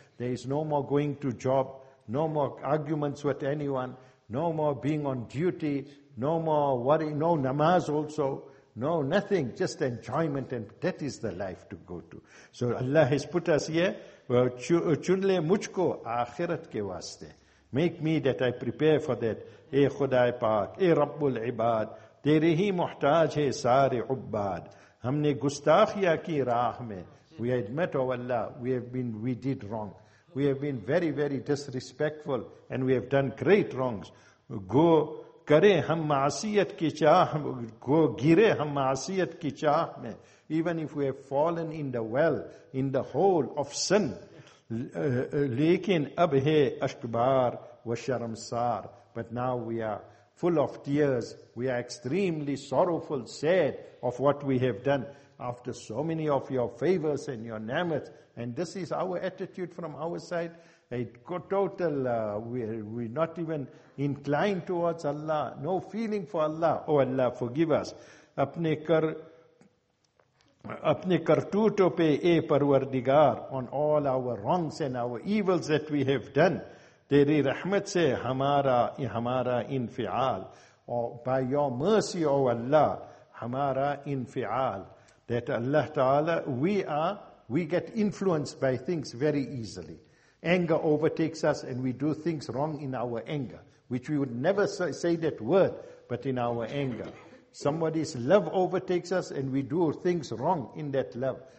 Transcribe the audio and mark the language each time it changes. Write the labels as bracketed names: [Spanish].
[English] There is no more going to job, no more arguments with anyone, no more being on duty, no more worry, no namaz also, no nothing, just enjoyment, and that is the life to go to. So Allah has put us here, [Urdu] chun le mujhko akhirat ke waste. [English] Make me that I prepare for that. [Urdu] اے خدا پاک, اے رب العباد, تیرے ہی محتاج ہے سارے عباد. ہم نے گستاخیہ کی راہ میں, [English] we admit, oh Allah, we did wrong. We have been very, very disrespectful and we have done great wrongs. [Urdu] گو کرے ہم معصیت کی چاہ, گو گرے ہم معصیت کی چاہ میں. [English] Even if we have fallen in the well, in the hole of sin, [Urdu] لیکن اب ہے اشکبار و شرم سار. [English] But now we are full of tears. We are extremely sorrowful, sad of what we have done after so many of your favors and your ni'mat. And this is our attitude from our side. A total, we're not even inclined towards Allah. No feeling for Allah. Oh Allah, forgive us. [Urdu] Apne kartooton pe e parwardigar, [English] on all our wrongs and our evils that we have done. [Urdu] تیری رحمت سے ہمارا انفعال, [English] or by your mercy, O Allah, [Urdu] ہمارا انفعال. [English] That Allah Ta'ala, we get influenced by things very easily. Anger overtakes us and we do things wrong in our anger, which we would never say that word, but in our anger. Somebody's love overtakes us and we do things wrong in that love.